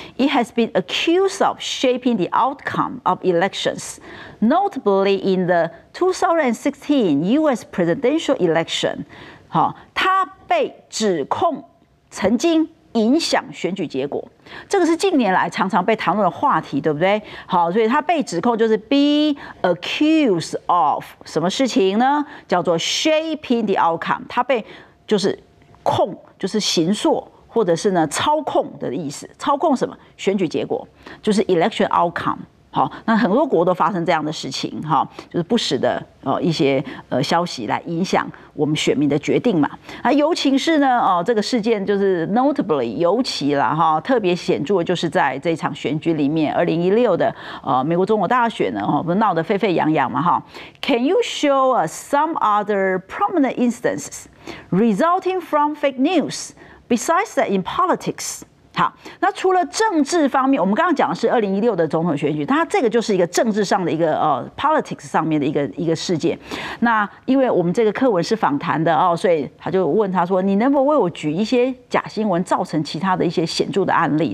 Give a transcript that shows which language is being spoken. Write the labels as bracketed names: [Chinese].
[English] It has been accused of shaping the outcome of elections, notably in the 2016 U.S. presidential election。 [Chinese] 好，它被指控曾经影响选举结果，这个是近年来常常被谈论的话题，对不对？好，所以它被指控就是 be accused of 什么事情呢？叫做 shaping the outcome，它被就是控，就是形塑或者是呢操控的意思，操控什么选举结果，就是 election outcome。好，那很多国都发生这样的事情，就是不实的一些消息来影响我们选民的决定嘛。那尤其是呢，这个事件就是 notably 尤其啦，特别显著的就是在这场选举里面，2016的美国总统大选呢，不是闹得沸沸扬扬嘛，哈。 [English] Can you show us some other prominent instances resulting from fake news besides that in politics？ [Chinese] 好，那除了政治方面，我们刚刚讲的是2016的总统选举，它这个就是一个政治上的一个politics 上面的一个事件。那因为我们这个课文是访谈的哦，所以他就问他说：“你能否为我举一些假新闻造成其他的一些显著的案例？